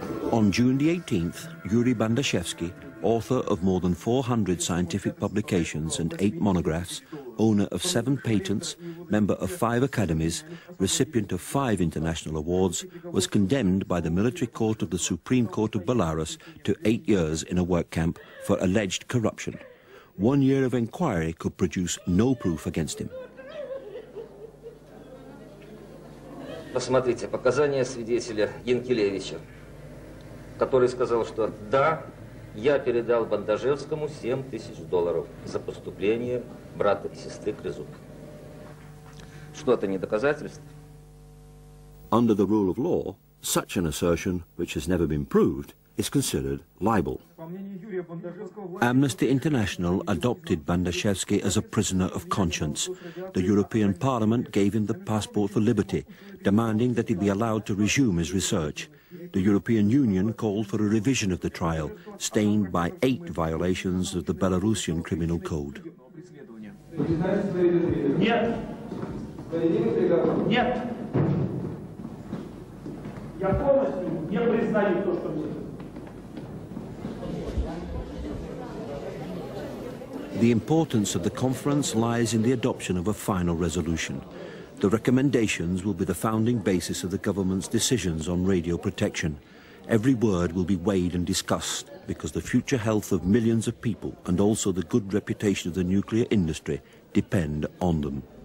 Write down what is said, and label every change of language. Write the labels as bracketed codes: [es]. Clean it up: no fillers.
[en] On June the 18th, Yuri Bandashevsky, author of more than 400 scientific publications and 8 monographs, owner of 7 patents, member of 5 academies, recipient of 5 international awards, was condemned by the military court of the Supreme Court of Belarus to 8 years in a work camp for alleged corruption. 1 year of inquiry could produce no proof against him. [ru] Посмотрите, показания свидетеля Янкелевича, который сказал, что да, я передал Бандажевскому 7 тысяч долларов за поступление брата и сестры Крызук. Что это не доказательство? [en] Under the rule of law, such an assertion, which has never been proved, is considered libel. Amnesty International adopted Bandashevsky as a prisoner of conscience. The European Parliament gave him the passport for liberty, demanding that he be allowed to resume his research. The European Union called for a revision of the trial, stained by 8 violations of the Belarusian criminal code. [ru] Нет. Я полностью не признаю то, что мне. [en] The importance of the conference lies in the adoption of a final resolution. The recommendations will be the founding basis of the government's decisions on radio protection. Every word will be weighed and discussed because the future health of millions of people and also the good reputation of the nuclear industry depend on them.